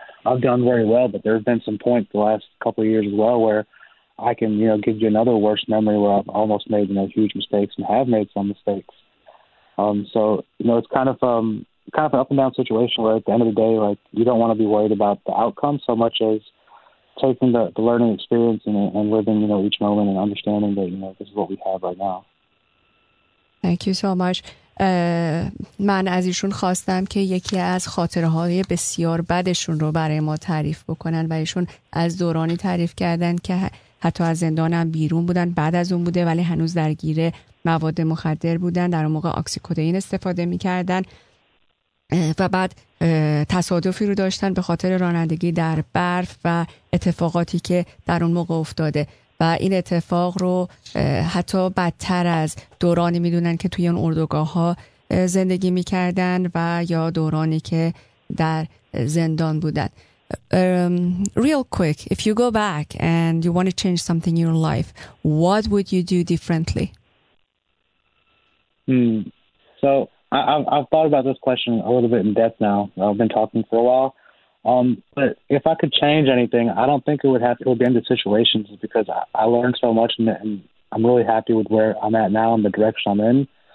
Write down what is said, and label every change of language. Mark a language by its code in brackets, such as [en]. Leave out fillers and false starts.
[en] I've done very well, but there have been some points the last couple of years as well where I can, you know, give you another worst memory where I've almost made, you know, huge mistakes and have made some mistakes. So, you know, it's kind of an up and down situation where at the end of the day, like, you don't want to be worried about the outcome so much as taking the learning experience and living, you know, each moment and understanding that, you know, this is what we have right now. Thank you so much. [fa] من از ایشون خواستم که یکی از خاطره‌های بسیار بدشون رو برای ما تعریف بکنن و ایشون از دورانی تعریف کردن که حتی از زندان هم بیرون بودن بعد از اون بوده ولی هنوز درگیر مواد مخدر بودن در اون موقع اکسیکودین استفاده می‌کردن و بعد تصادفی رو داشتن به خاطر رانندگی در برف و اتفاقاتی که در اون موقع افتاده و این اتفاق رو حتی بدتر از دورانی میدونن که توی اون اردوگاه ها زندگی میکردن و یا دورانی که در زندان بودن. [en] Real quick, if you go back and you want to change something in your life, what would you do differently? So I've thought about this question a little bit in depth now. I've been talking for a while. But if I could change anything, I don't think it would be in the situations, because I learned so much and I'm really happy with where I'm at now and the direction I'm in.